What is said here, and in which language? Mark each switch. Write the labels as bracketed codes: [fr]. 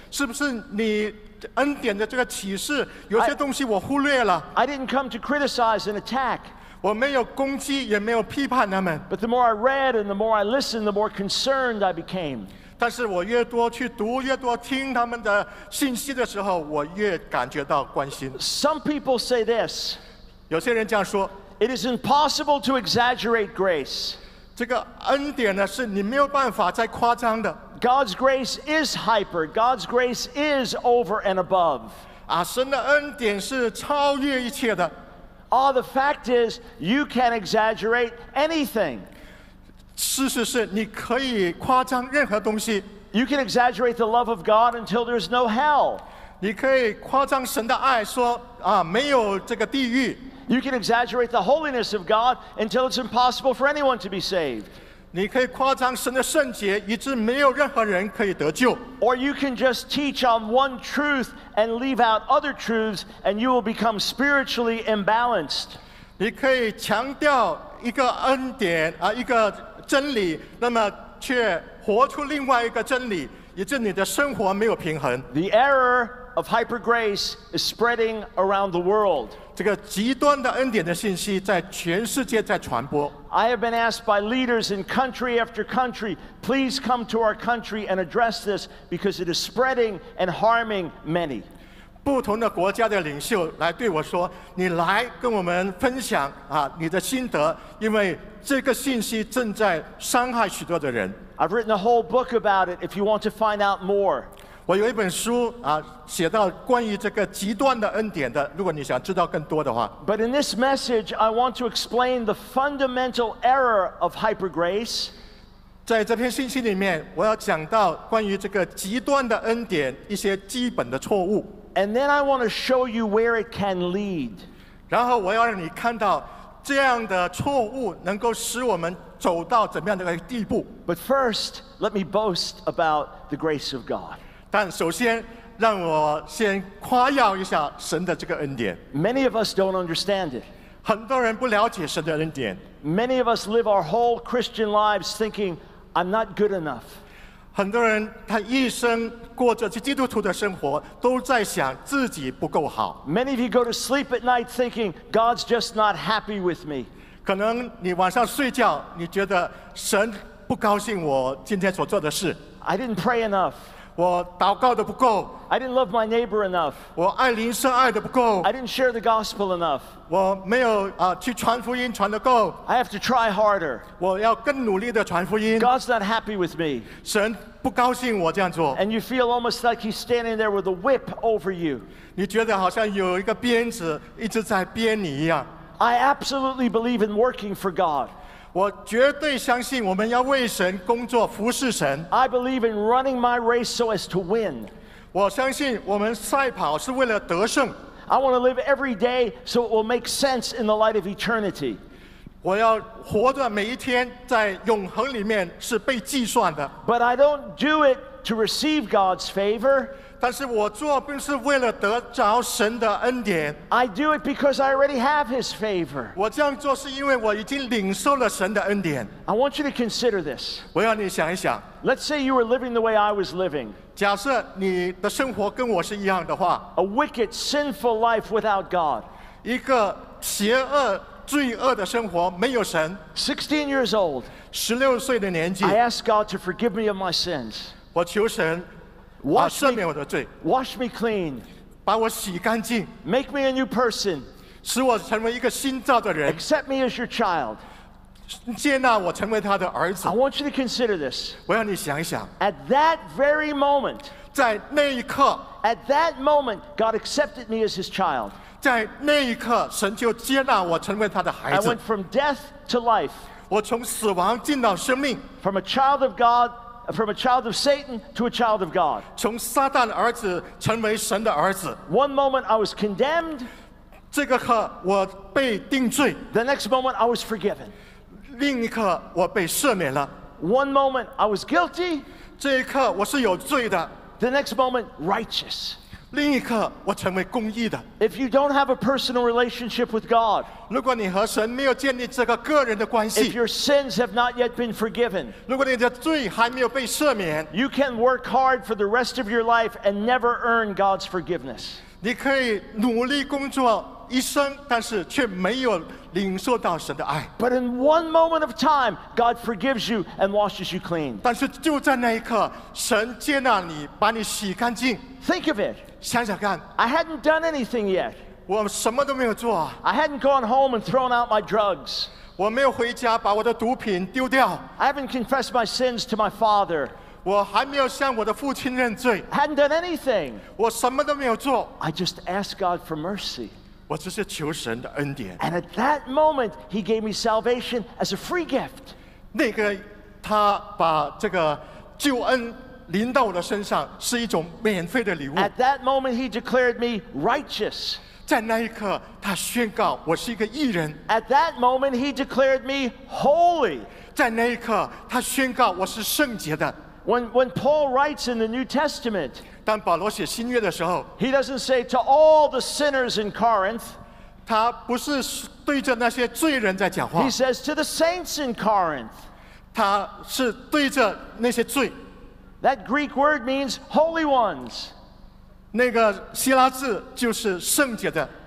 [zh] 是不是你？恩典的这个启示，有些东西我忽略了。 [en] I didn't come to criticize and attack. [zh] 我没有攻击，也没有批判他们。 [en] But the more I read and the more I listened, the more concerned I became. [zh] 但是我越多去读，越多听他们的信息的时候，我越感觉到关心。 [en] Some people say this. [zh] 有些人这样说。 [en] It is impossible to exaggerate grace. [zh] 这个恩典呢，是你没有办法再夸张的。 [en] God's grace is hyper. God's grace is over and above. [zh] 啊，神的恩典是超越一切的。 [en] Ah, the fact is, you can exaggerate anything. [zh] 事实是，你可以夸张任何东西。 [en] You can exaggerate the love of God until there's no hell. [zh] 你可以夸张神的爱，说啊，没有这个地狱。 [en] You can exaggerate the holiness of God until it's impossible for anyone to be saved. [zh] 你可以夸张神的圣洁，以致没有任何人可以得救。 [en] Or you can just teach on one truth and leave out other truths, and you will become spiritually imbalanced. [zh] 你可以强调一个恩典啊，一个真理，那么却活出另外一个真理，以致你的生活没有平衡。 [en] The error of hyper grace is spreading around the world. [zh] 这个极端的恩典的信息在全世界在传播。 [en] I have been asked by leaders in country after country, please come to our country and address this because it is spreading and harming many. [zh] 不同的国家的领袖来对我说，你来跟我们分享啊你的心得，因为这个信息正在伤害许多的人。 [en] I've written a whole book about it if you want to find out more. [zh] 我有一本书啊，写到关于这个极端的恩典的。如果你想知道更多的话 [en] ，But in this message, I want to explain the fundamental error of hyper grace. [zh] 在这篇信息里面，我要讲到关于这个极端的恩典一些基本的错误。 [en] And then I want to show you where it can lead. [zh] 然后我要让你看到这样的错误能够使我们走到怎么样的一个地步。 [en] But first, let me boast about the grace of God. [zh] 但首先让我先夸耀一下神的这个恩典。 [en] Many of us don't understand it. [zh] 很多人不了解神的恩典。 [en] Many of us live our whole Christian lives thinking, I'm not good enough. [zh] 很多人他一生过着基督徒的生活，都在想自己不够好。 [en] Many of you go to sleep at night thinking, God's just not happy with me. [zh] 可能你晚上睡觉，你觉得神不高兴我今天所做的事。 [en] I didn't pray enough. [zh] 我祷告的不够。 [en] I didn't love my neighbor enough. [zh] 我爱邻舍爱的不够。 [en] I didn't share the gospel enough. [zh] 我没有啊去传福音传的够。 [en] I have to try harder. [zh] 我要更努力的传福音。 [en] God's not happy with me. [zh] 神不高兴我这样做。 [en] And you feel almost like he's standing there with a whip over you. [zh] 你觉得好像有一个鞭子一直在鞭你一样。 [en] I absolutely believe in working for God. [zh] 我绝对相信我们要为神工作，服侍神。 [en] I believe in running my race so as to win. [zh] 我相信我们赛跑是为了得胜。 [en] I want to live every day so it will make sense in the light of eternity. [zh] 我要活着每一天在永恒里面是被计算的。 [en] But I don't do it to receive God's favor. [zh] 但是我做并是为了得着神的恩典。 [en] I do it because I already have His favor. [zh] 我这样做是因为我已经领受了神的恩典。 [en] I want you to consider this. [zh] 我要你想一想。 [en] Let's say you were living the way I was living. [zh] 假设你的生活跟我是一样的话 [en] A wicked, sinful life without God. [zh] 一个邪恶、罪恶的生活没有神 [en] 16 years old. [zh] 16岁的年纪 [en] I ask God to forgive me of my sins. [zh] 我求神 [en] wash [zh] 赦免我的罪 [en] Wash me clean. [zh] 把我洗干净 [en] Make me a new person. [zh] 使我成为一个新造的人 [en] Accept me as your child. [zh] 接纳我成为他的儿子。 [en] I want you to consider this. [zh] 我要你想一想。 [en] At that very moment, [zh] 在那一刻。 [en] At that moment, God accepted me as His child. [zh] 在那一刻，神就接纳我成为他的孩子。 [en] I went from death to life. [zh] 我从死亡进到生命。 [en] From a child of God, from a child of Satan to a child of God. [zh] 从撒旦儿子成为神的儿子。 [en] One moment I was condemned. [zh] 这个刻我被定罪。 [en] The next moment I was forgiven. [zh] 另一刻我被赦免了 [en] One moment I was guilty [zh] 这一刻我是有罪的 [en] The next moment righteous [zh] 另一刻我成为公义的 [en] If you don't have a personal relationship with God [zh] 如果你和神没有建立这个个人的关系 [en] If your sins have not yet been forgiven [zh] 如果你的罪还没有被赦免 [en] You can work hard for the rest of your life and never earn God's forgiveness [zh] 你可以努力工作一生但是却没有领受到神的爱 [en] But in one moment of time God forgives you and washes you clean [zh] 但是就在那一刻神接纳你把你洗干净 [en] Think of it [zh] 想想看 [en] I hadn't done anything yet [zh] 我什么都没有做 [en] I hadn't gone home and thrown out my drugs [zh] 我没有回家把我的毒品丢掉 [en] I haven't confessed my sins to my father [zh] 我还没有向我的父亲认罪 [en] I hadn't done anything [zh] 我什么都没有做 [en] I just asked God for mercy [zh] 我只是求神的恩典。 [en] And at that moment, He gave me salvation as a free gift. [zh] 那个他把这个救恩临到我的身上，是一种免费的礼物。 [en] At that moment, He declared me righteous. [zh] 在那一刻，他宣告我是一个义人。 [en] At that moment, He declared me holy. [zh] 在那一刻，他宣告我是圣洁的。 [en] When Paul writes in the New Testament, [zh] 当保罗写新约的时候 [en] he doesn't say to all the sinners in Corinth, [zh] 他不是对着那些罪人在讲话 [en] he says to the saints in Corinth, [zh] 他是对着那些罪 [en] that Greek word means holy ones, [zh] 那个希腊字就是圣洁的